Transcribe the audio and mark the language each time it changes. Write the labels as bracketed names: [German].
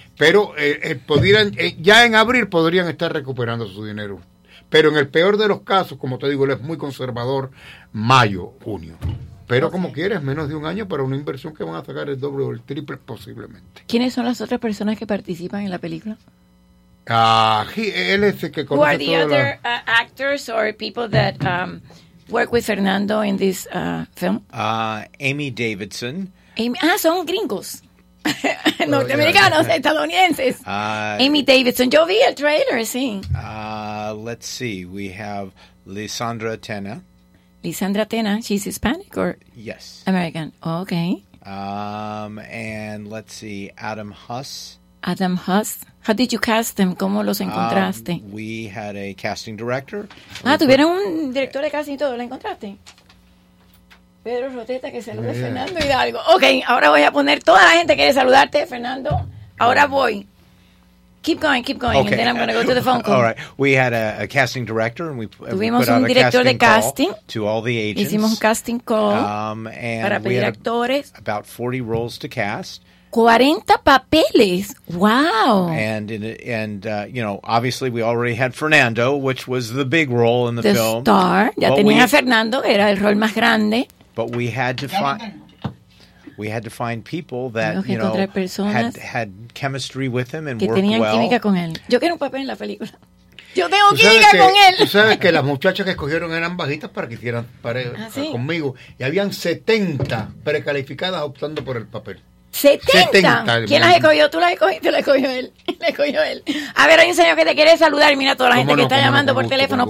[Spanish] Pero ya en abril podrían estar recuperando su dinero. Pero en el peor de los casos, como te digo, él es muy conservador, mayo, junio. Pero como quieres, menos de un año para una inversión que van a sacar el doble o el triple posiblemente. ¿Quiénes son las otras personas que participan en la película? Él es el que conoce. [English] Who are the other actors or people that work with Fernando in this film? Amy Davidson. [Spanish] Son gringos. Norteamericanos, estadounidenses. Amy Davidson. Yo vi el trailer, sí. [English] Let's see. We have Lisandra Tena. Lisandra Tena, she's Hispanic or? Yes. American. Oh, okay. And let's see, Adam Huss. Adam Huss. How did you cast them? [Spanish] ¿Cómo los encontraste? [English] We had a casting director. [Spanish] ¿Tuvieron un director de casting y todo? ¿Lo encontraste? Pedro Roteta, que saluda a Fernando Hidalgo. Ok, ahora voy a poner toda la gente que quiere saludarte, Fernando. Ahora voy. [English] Keep going, okay. And then I'm going to go to the phone call. All right. We had a casting director, and we put out a casting call to all the agents. [Spanish] Hicimos un casting call para pedir actores. [English] About 40 roles to cast. [Spanish] 40 papeles. Wow. [English] And obviously we already had Fernando, which was the big role in the film. The star. [Spanish] Ya tenía a Fernando, era el rol más grande. [English] But we had to find... We had to find people that, had chemistry with him and worked well. [Spanish] Que tenían química con él. Yo quiero un papel en la película. Yo tengo química con él. Tú sabes que las muchachas que escogieron eran bajitas para que hicieran pareja conmigo. Y habían 70 precalificadas optando por el papel. ¿70? ¿Quién las escogió? ¿Tú las escogiste? La escogió él. A ver, hay un señor que te quiere saludar. Mira toda la gente que está llamando por teléfono.